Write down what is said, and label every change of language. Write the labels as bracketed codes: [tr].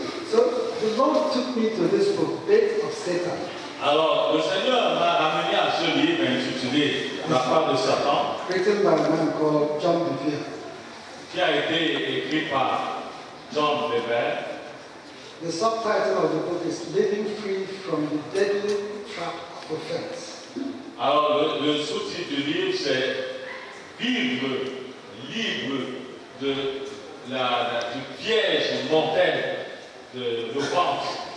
[en] So the Lord took me to this prophet of Satan. [fr] Alors, le Seigneur m'a amené à ce livre intitulé La part de Satan. [en] Written by a man called John Bevere. [fr] Qui a été écrit par John Bevere. [en] The subtitle of the book is Living Free from the Deadly Trap of Offense. [fr] Alors, le sous-titre du livre, c'est Vivre libre de du piège mortel de l'offense.